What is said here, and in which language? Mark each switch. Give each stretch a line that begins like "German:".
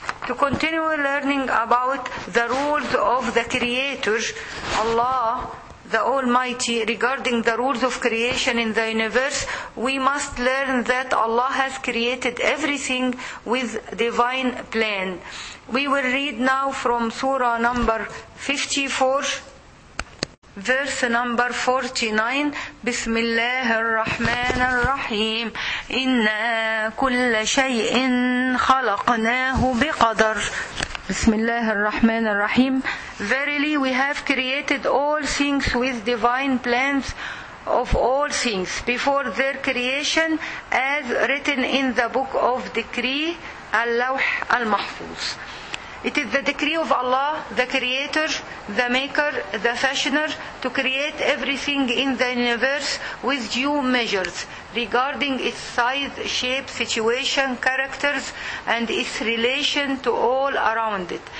English: To continue learning about the rules of the Creator, Allah, the Almighty, regarding the rules of creation in the universe, we must learn that Allah has created everything with divine plan. We will read now from Surah number 54, verse number 49.
Arabic: بسم الله الرحمن الرحيم إنا كل شيء خلقناه بقدر. بسم الله الرحمن الرحيم.
English: Verily we have created all things with divine plans of all things before their creation as written in the book of decree اللوح المحفوظ. It is the decree of Allah, the Creator, the Maker, the Fashioner, to create everything in the universe with due measures regarding its size, shape, situation, characters, and its relation to all around it.